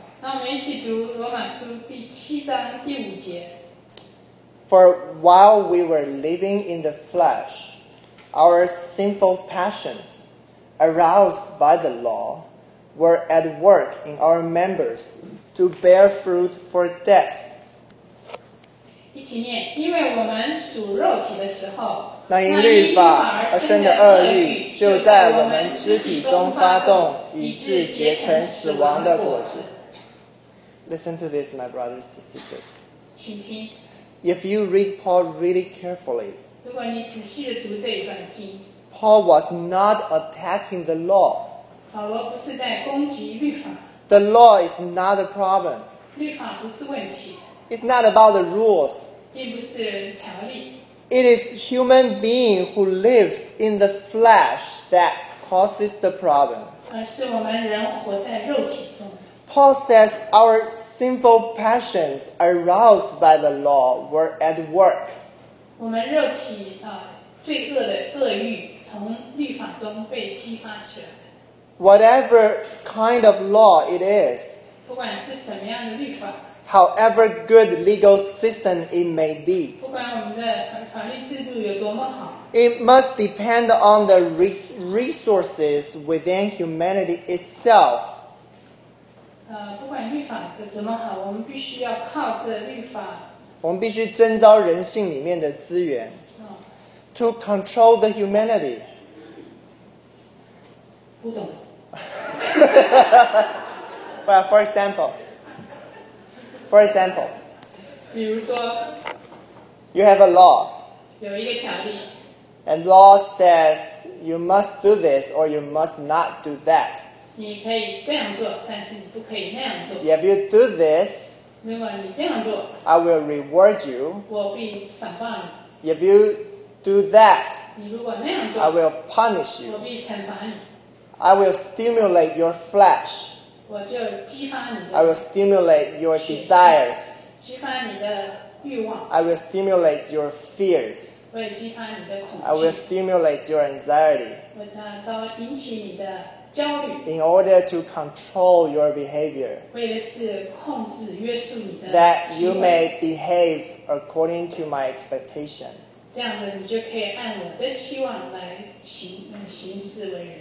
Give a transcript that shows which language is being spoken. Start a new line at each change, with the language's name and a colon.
Chinese: 那我们一起读罗马书第七章第五节。
English: For while we were living in the flesh, our sinful passions, aroused by the law, were at work in our members to bear fruit for death.
Chinese: 一起念，因为我们属肉体的时候，那因律法而生的恶欲就在我们肢体中发动，以致结成死亡的果子。
English: Listen to this, my brothers and sisters.
Chinese: 请听。
English: If you read Paul really carefully,
Chinese: 如果你仔细地读这一段经，
English: Paul was not attacking the law.
Chinese: 保罗不是在攻击律法。
English: The law is not a problem.
Chinese: 律法不是问题。
English: It's not about the rules.
Chinese: 并不是条例。
English: It is human being who lives in the flesh that causes the problem.
Chinese: 而是我们人活在肉体中。
English: Paul says our sinful passions aroused by the law were at work.
Chinese: 我们肉体罪恶的恶欲从律法中被激发起来。
English: Whatever kind of law it is,
Chinese: 不管是什么样的律法，
English: however good legal system it may be,
Chinese: 不管我们的法律制度有多么好，
English: it must depend on the resources within humanity itself.
Chinese: 不管律法怎么好，我们必须要靠着律法，我们必须征召人性里面的资源、
English: to control the humanity.
Chinese: 不懂。
English: But for example,
Chinese: 比如说
English: you have a law,
Chinese: 有一个条例，
English: and law says you must do this or you must not do that.
Chinese: 你可以这样做，但是你不可以那样做。
English: If you do this,
Chinese: 如果你这样做，
English: I will reward you.
Chinese: 我必赏报你。
English: If you do that,
Chinese: 你如果那样做，
English: I will punish you.
Chinese: 我必惩罚你。
English: I will stimulate your flesh.
Chinese: 我就激发你的。
English: I will stimulate your desires.
Chinese: 激发你的欲望。
English: I will stimulate your fears.
Chinese: 我也激发你的恐惧。
English: I will stimulate your anxiety.
Chinese: 我将引起你的。
English: In order to control your behavior,
Chinese: 为的是控制约束你的行为,
English: that you may behave according to my expectation.
Chinese: 这样的你就可以按我的期望来行事为人。